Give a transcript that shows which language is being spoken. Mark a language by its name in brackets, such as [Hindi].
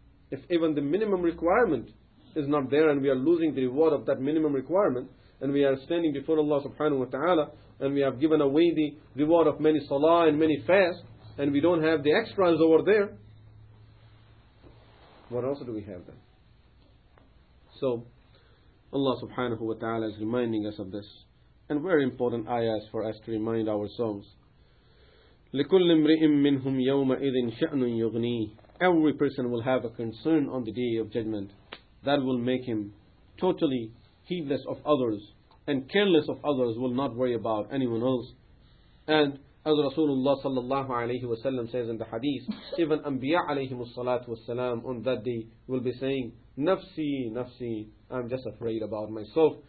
[English] If even the minimum requirement is not there and we are losing the reward of that minimum requirement and we are standing before Allah subhanahu wa ta'ala and we have given away the reward of many salah and many fasts and we don't have the extras over there, what else do we have then? So, Allah subhanahu wa ta'ala is reminding us of this and very important ayahs for us to remind ourselves. [Arabic] لكل امرئ منهم يومئذ شأن يغنيه. [English] Every person will have a concern on the Day of Judgment that will make him totally heedless of others and careless of others, will not worry about anyone else. And as Rasulullah sallallahu alayhi wa sallam says in the hadith, even Anbiya alayhi wa salatu wa salam on that day will be saying, Nafsi, Nafsi, I'm just afraid about myself.